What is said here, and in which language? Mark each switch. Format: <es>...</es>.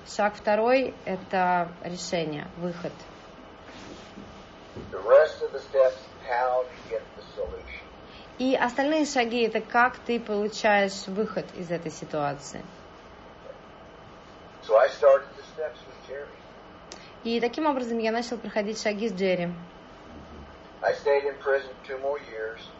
<ru>Шаг второй это решение, выход.</ru> <en>The rest of the steps, how to get the solution.</en> <ru>И остальные шаги это как ты получаешь выход из этой ситуации.</ru> <en>So I started the steps with Jerry.</en> <ru>И таким образом я начал проходить шаги с Джерри.</ru> <en>I stayed in prison two more years.</en>